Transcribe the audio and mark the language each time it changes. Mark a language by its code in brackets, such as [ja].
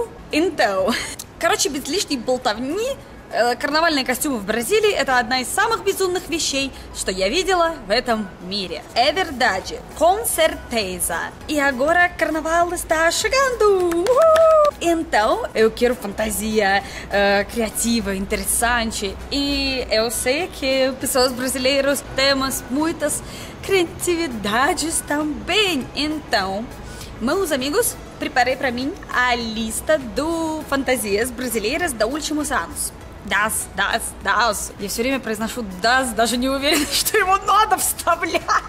[ru] Então, короче, без лишней болтовни, карнавальные костюмы в Бразилии – это одна из самых безумных вещей, что я видела в этом мире. [pt] É verdade, com certeza. E agora карнавал está chegando! Então, eu quero fantasia criativa, interessante. E eu sei que pessoas brasileiras têm muitas criatividades também. Então, meus amigos, preparei para mim a lista de fantasias brasileiras dos últimos anos. Das. [ru] Eu все время произношу das, даже не уверена, что его надо вставлять.